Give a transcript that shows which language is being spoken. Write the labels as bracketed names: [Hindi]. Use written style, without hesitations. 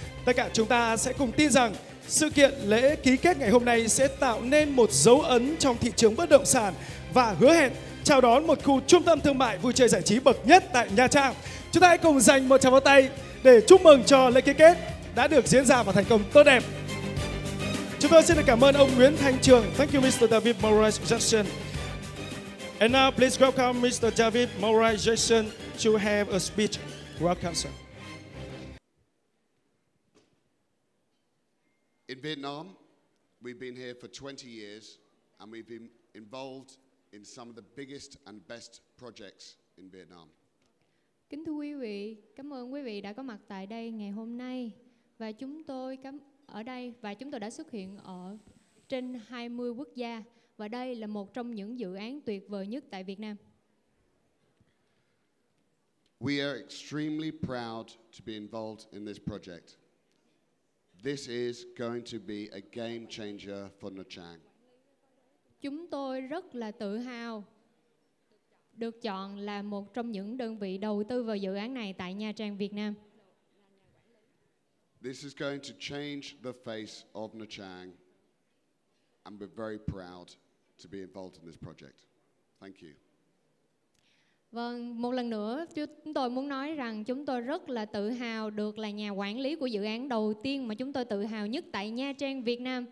[Vietnamese] Tất cả chúng ta sẽ cùng tin rằng sự kiện lễ ký kết ngày hôm nay sẽ tạo nên một dấu ấn trong thị trường bất động sản và hứa hẹn chào đón một khu trung tâm thương mại vui chơi giải trí bậc nhất tại Nha Trang. Chúng ta hãy cùng dành một tràng pháo tay để chúc mừng cho lễ ký kết đã được diễn ra và thành công tốt đẹp. Chúng tôi xin được cảm ơn ông Nguyễn Thanh Trường. [English] Thank you, Mr. David Murray Jackson. And now please welcome Mr. David Murray Jackson to have a speech. Welcome, sir. In Vietnam, we've been here for 20 years and we've been involved in some of the biggest and best projects in Vietnam. [Vietnamese] Kính thưa quý vị, cảm ơn quý vị đã có mặt tại đây ngày hôm nay, và chúng tôi ở đây và chúng tôi đã xuất hiện ở trên 20 quốc gia, và đây là một trong những dự án tuyệt vời nhất tại Việt Nam. [English] We are extremely proud to be involved in this project. This is going to be a game changer for Nha Trang. [Vietnamese] Chúng tôi rất là tự hào được chọn là một trong những đơn vị đầu tư vào dự án này tại Nha Trang Việt Nam. [English] This is going to change the face of Nha Trang, and we're very proud to be involved in this project. Thank you. [Vietnamese] Vâng, một lần nữa chúng tôi muốn nói rằng chúng tôi rất là tự hào được là nhà quản lý của dự án đầu tiên mà chúng tôi tự hào nhất tại Nha Trang Việt Nam.